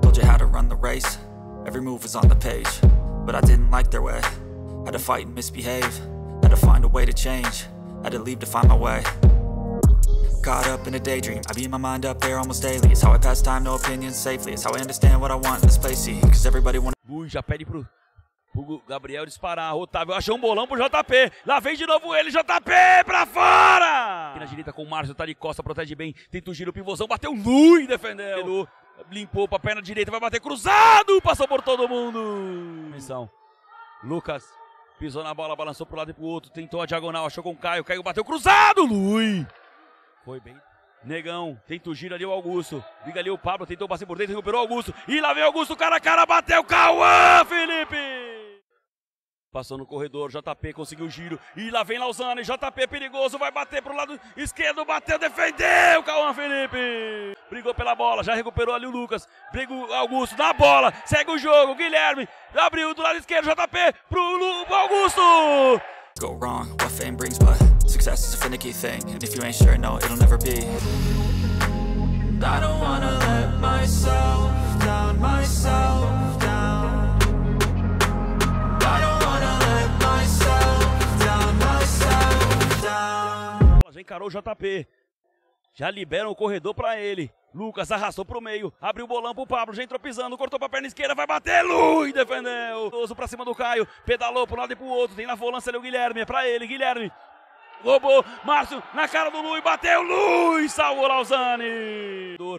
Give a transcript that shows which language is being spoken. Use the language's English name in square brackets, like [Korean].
[English] Told you how to run the race. Every move is on the page. But I didn't like their way. Had to fight and misbehave. Had to find a way to change. Had to leave to find my way. Caught up in a daydream, I beat my mind up there almost daily. It's how I pass time, no opinions safely. It's how I understand what I want in this place. Cause everybody wanna... [Portuguese] Ui, já pede pro Gabriel disparar. Otávio achou um bolão pro JP. Lá vem de novo ele, JP, pra fora! Aqui na direita com o Márcio, tá de costa, protege bem. Tenta o giro, o pivôzão bateu, Lui defendeu. Pelo, limpou pra perna direita, vai bater cruzado. Passou por todo mundo. Missão. Lucas pisou na bola, balançou pro lado e pro outro. Tentou a diagonal, achou com o Caio. Caio bateu cruzado, Lui. Foi bem. Negão, tenta o giro ali o Augusto. Liga ali o Pablo, tentou passar por dentro, recuperou o Augusto. E lá vem o Augusto, cara a cara, bateu. Cauã, Felipe! Passou no corredor, JP conseguiu o giro. E lá vem Lausanne, JP perigoso, vai bater pro lado esquerdo, bateu, defendeu. Cauã, Felipe! Brigou pela bola, já recuperou ali o Lucas. Briga o Augusto, na bola, segue o jogo. Guilherme abriu do lado esquerdo, JP pro Augusto! [English] Go wrong, what fame brings, but success is a finicky thing. And if you ain't sure, no, it'll never be. I don't wanna let myself down, I don't wanna let myself down. [Portuguese] Já encarou o JP. Já liberam o corredor pra ele. Lucas arrastou pro meio, abriu o bolão pro Pablo, já entrou pisando, cortou pra perna esquerda, vai bater, Lui, defendeu. Oso pra cima do Caio, pedalou pro lado e pro outro, tem na volância ali o Guilherme, é pra ele, Guilherme. Roubou, Márcio, na cara do Lui, bateu, Lui, salvou Lausanne.